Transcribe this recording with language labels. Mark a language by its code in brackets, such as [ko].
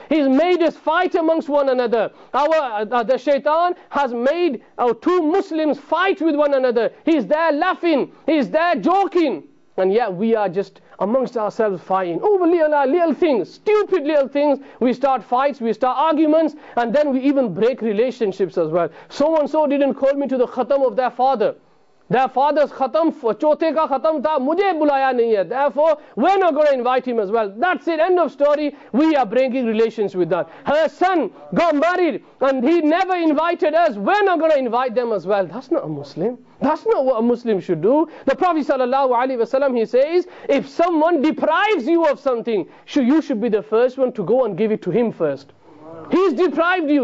[en] He's made us fight amongst one another. The shaitan has made our two Muslims fight with one another. He's there laughing. He's there joking. And yet we are just amongst ourselves fighting over little things, stupid little things. We start fights, we start arguments, and then we even break relationships as well. So-and-so didn't call me to the khatam of their father. Their father's khatam, [hi] छोटे का खतम था, मुझे बुलाया नहीं है. [en] Therefore, we're not going to invite him as well. That's it, end of story. We are breaking relations with that. Her son got married and he never invited us. We're not going to invite them as well. That's not a Muslim. That's not what a Muslim should do. The Prophet sallallahu alaihi wasallam, he says, if someone deprives you of something, you should be the first one to go and give it to him first. He's deprived you.